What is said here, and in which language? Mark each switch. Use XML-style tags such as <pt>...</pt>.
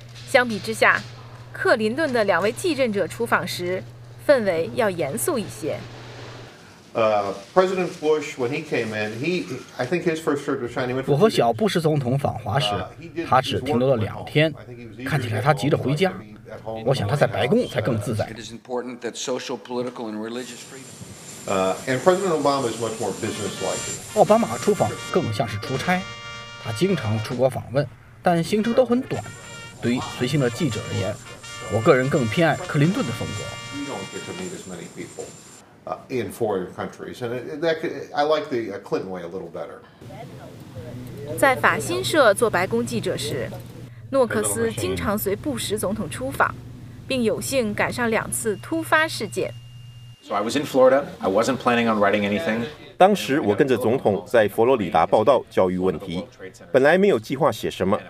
<zh>相比之下，克林顿的两位继任者出访时氛围要严肃一些。</zh> <en>President Bush, when he came in, I think his first trip to China.</en> <zh>我和小布什总统访华时，他只停留了2天，看起来他急着回家。我想他在白宫才更自在。</zh> <en>It is important that social, political, and religious freedom. And President Obama is much more business-like.</en> <zh>奥巴马出访更像是出差，他经常出国访问，但行程都很短。对于随行的记者而言，我个人更偏爱克林顿的风格。</zh> <en>don't get to meet as many people in foreign countries. And that could, I like the Clinton way a little better.</en> <zh>在法新社做白宫记者时，诺克斯经常随布什总统出访，并有幸赶上两次突发事件。</zh> <en>So I was in Florida. I wasn't planning on writing anything.</en> <zh>当时我跟着总统在佛罗里达报道教育问题，本来没有计划写什么。</zh>